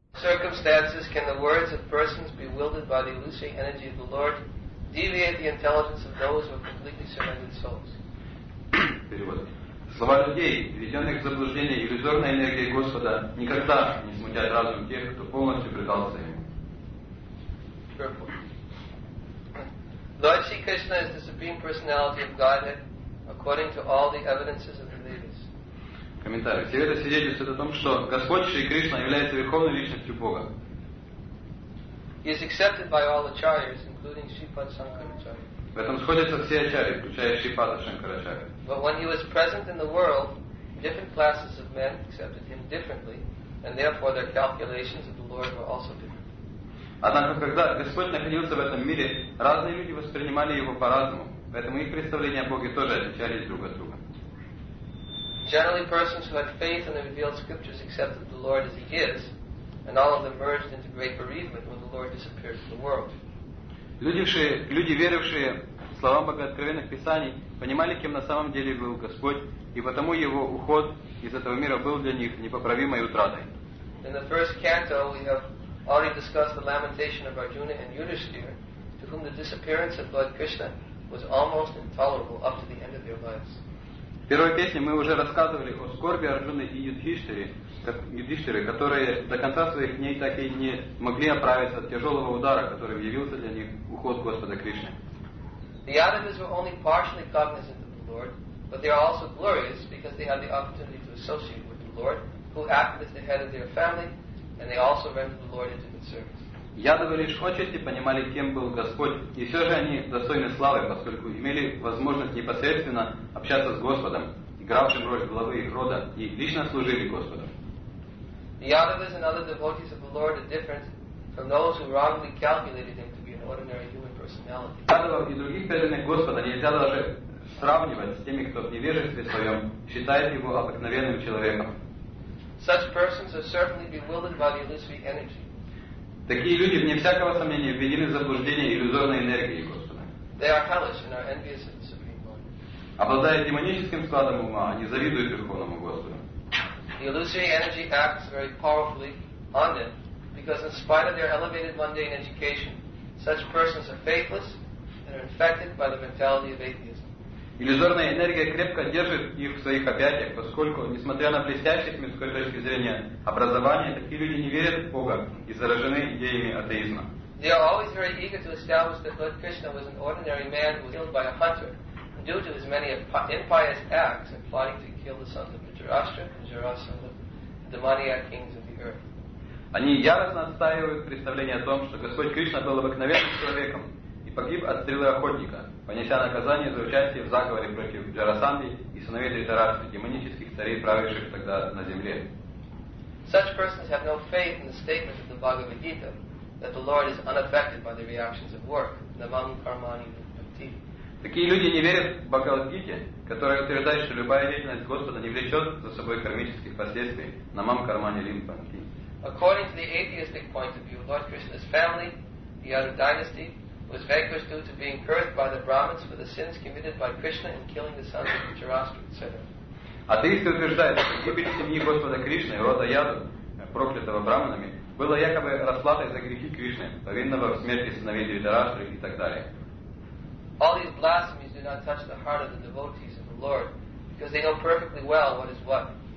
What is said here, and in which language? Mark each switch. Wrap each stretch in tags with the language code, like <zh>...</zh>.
<en>circumstances can the words of persons bewildered by the illusory energy of the Lord deviate the intelligence of those who are completely surrendered souls?</en> <ru>Слова людей, введенных в заблуждение иллюзорной энергией Господа, никогда не смутят разум тех, кто полностью предался Ему.</ru> <en>Lord Sri Krishna is the Supreme Personality of Godhead, according to all the evidences of the Vedas.</en> <ru>Комментарий. Все это свидетельствует о том, что Господь Шри Кришна является Верховной Личностью Бога.</ru> <en>He is accepted by all acharyas, including Shripada Shankaracharya.</en> <ru>В этом сходятся все ачарьи, включая Шрипада Шанкарачарья.</ru> <en>But when he was present in the world, different classes of men accepted him differently, and therefore their calculations of the Lord were also different.</en> <ru>Однако, когда Господь находился в этом мире, разные люди воспринимали его по-разному, поэтому их представления о Боге тоже отличались друг от друга.</ru> <en>Generally, persons who had faith in the revealed scriptures accepted the Lord as he is, and all of them merged into great bereavement when the Lord disappeared from the world.</en> <ru>Люди, верившие словам Богооткровенных Писаний, понимали, кем на самом деле был Господь, и потому Его уход из этого мира был для них непоправимой утратой.</ru> <en>In the first canto, we have already discussed the lamentation of Arjuna and Yudhisthira, to whom the disappearance of Lord Krishna was almost intolerable up to the end of their lives.</en> <ru>В первой песне мы уже рассказывали о скорби Арджуны и Юдхиштхиры, которые до конца своих дней так и не могли оправиться от тяжелого удара, который явился для них уход Господа Кришны.</ru> <en>The Yadavas were only partially cognizant of the Lord, but they are also glorious because they had the opportunity to associate with the Lord, who acted as the head of their family, and they also rendered the Lord intimate service.</en> <ru>Ядовы лишь отчасти понимали, кем был Господь, и все же они достойны славы, поскольку имели возможность непосредственно общаться с Господом, игравшим роль главы их рода, и лично служили Господу.</ru> <en>The Yadavas and other devotees of the Lord are different from those who wrongly calculated him to be an ordinary human.</en> <ru>Ядовов и других преданных Господа нельзя даже сравнивать с теми, кто в невежестве своем считает его обыкновенным человеком.</ru> <en>Such persons are certainly bewildered by the illusory energy.</en> <ru>Такие люди, вне всякого сомнения, введены в заблуждение иллюзорной энергией Господа.</ru> <en>They are hellish and are envious of the Supreme Lord.</en> <ru>Обладая демоническим складом ума, они завидуют Верховному Господу.</ru> <en>The illusory energy acts very powerfully on them, because in spite of their elevated mundane education, such persons are faithless and are infected by the mentality of atheism.</en> <ru>Иллюзорная энергия крепко держит их в своих объятиях, поскольку, несмотря на блестящее с мирской точки зрения образование, такие люди не верят в Бога и заражены идеями атеизма.</ru> <en>They are always very eager to establish that Lord Krishna was an ordinary man who was killed by a hunter due to his many impious acts in plotting to kill the sons of Dhritarashtra and Jarasandha, the demoniac kings of the earth.</en> <ru>Они яростно отстаивают представление о том, что Господь Кришна был обыкновенным человеком и погиб от стрелы охотника, понеся наказание за участие в заговоре против Джарасанды и сыновей Дхритараштры, демонических царей, правивших тогда на земле.</ru> <en>Such persons have no faith in the statement of the Bhagavad Gita that the Lord is unaffected by the reactions of work, namam karmani bhakti.</en> <ru>Такие люди не верят в Бхагавад-гите, которая утверждает, что любая деятельность Господа не влечет за собой кармических последствий, намам кармани бхакти.</ru> <en>According to the atheistic point of view, Lord Krishna's family, the Yadav dynasty, was vanquished due to being cursed by the Brahmins for the sins committed by Krishna in killing the sons of Dhritarashtra, etc.</en> <ru>Атеисты утверждают, что гибель семьи Господа Кришны, рода Ядов, проклятого Брахманами, была якобы расплатой за грехи Кришны, повинного в смерти сыновей Дхритараштры и так далее.</ru> <en>All these blasphemies do not touch the heart of the devotees of the Lord, because they know perfectly well what is what.</en>